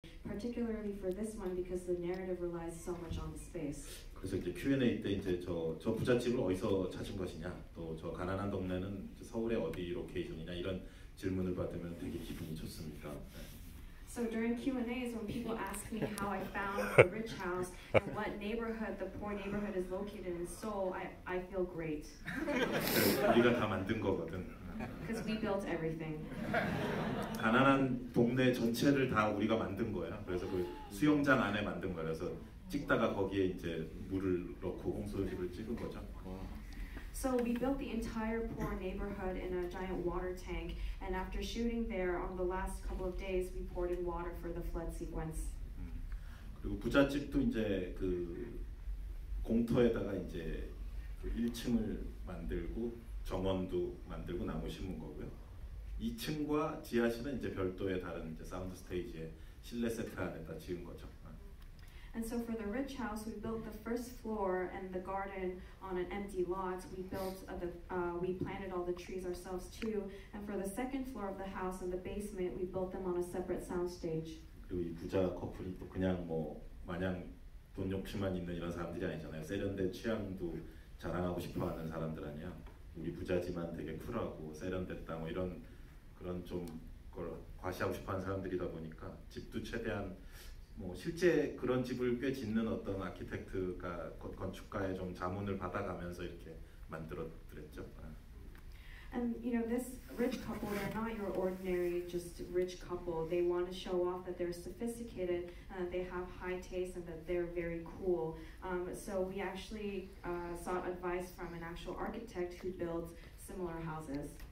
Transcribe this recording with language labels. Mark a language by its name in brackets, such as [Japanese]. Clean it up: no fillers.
[English] particularly for this one because the narrative relies so much on the space. [Korean] 그래서 이제 Q&A 때 이제 저 부잣집을 어디서 찾은 것이냐, 또 저 가난한 동네는 서울의 어디 로케이션이냐 이런 질문을 받으면 되게 기분이 좋습니다. [English] So during Q&As, when people ask me how I found the rich house and what neighborhood the poor neighborhood is located in Seoul, I feel great. [Korean] 우리가 다 만든 거거든. [English] Because we built everything. [Korean] 가난한 동네 전체를 다 우리가 만든 거야. 그래서 그 수영장 안에 만든 거라서 찍다가 거기에 이제 물을 넣고 홍수집을 찍은 거죠. [English] So we built the entire poor neighborhood in a giant water tank, and after shooting there on the last couple of days, we poured in water for the flood sequence. [Korean] 그리고 부잣집도 이제 그 공터에다가 이제 그 1층을 만들고 정원도 만들고 나무 심은 거고요. 2층과 지하실은 이제 별도의 다른 이제 사운드 스테이지에 실내 세트 안에다 지은 거죠. [English] And so for the rich house, we built the first floor and the garden on an empty lot. We built we planted all the trees ourselves too. And for the second floor of the house and the basement, we built them on a separate sound stage. [Korean] 그리고 이 부자 커플이 또 그냥 뭐 마냥 돈 욕심만 있는 이런 사람들이 아니잖아요. 세련된 취향도 자랑하고 싶어하는 사람들 아니야. 우리 부자지만 되게 쿨하고 세련됐다 뭐 이런 그런 좀 걸 과시하고 싶어하는 사람들이다 보니까 집도 최대한 뭐 실제 그런 집을 꽤 짓는 어떤 아키텍트가 건축가의 좀 자문을 받아가면서 이렇게 만들었더랬죠. [English] And you know, this rich couple, they're not your ordinary just rich couple. They want to show off that they're sophisticated, and they have high taste, and that they're very cool. So we actually sought advice from an actual architect who builds similar houses.